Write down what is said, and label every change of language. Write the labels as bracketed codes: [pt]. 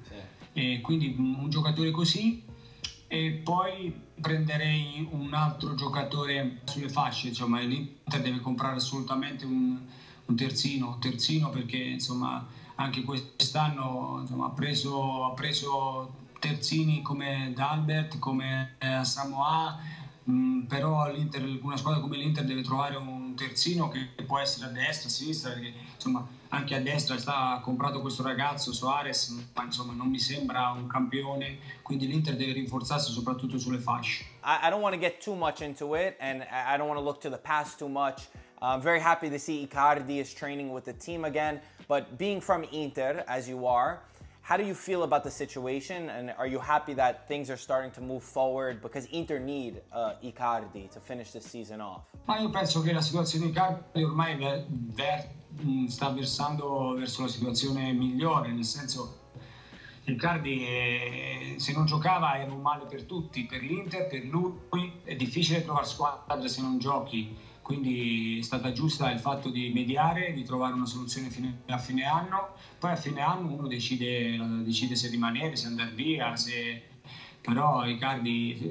[it] Sì. E quindi un giocatore così. E poi prenderei un altro giocatore sulle fasce, insomma l'Inter deve comprare assolutamente un terzino, perché insomma anche quest'anno insomma, ha preso terzini come D'Albert, come Asamoah, però l'Inter, una squadra come l'Inter deve trovare un terzino che può essere a destra, a sinistra, perché insomma anche a destra sta comprato questo ragazzo Soares, ma insomma non mi sembra un campione, quindi l'Inter deve rinforzarsi soprattutto sulle fasce. [en] I don't want to get too much into it and I don't want to look to the past too much. I'm very happy to see Icardi is training with the team again, but being from Inter as you are, how do you feel about the situation and are you happy that things are starting to move forward, because Inter need Icardi to finish this season off? [it] Ma io penso che la situazione di Icardi ormai sta versando verso la situazione migliore, nel senso Icardi se non giocava era un male per tutti, per l'Inter, per lui, è difficile trovare squadra se non giochi, quindi è stata giusta il fatto di mediare, di trovare una soluzione a fine anno, poi a fine anno uno decide se rimanere, se andare via, però Icardi...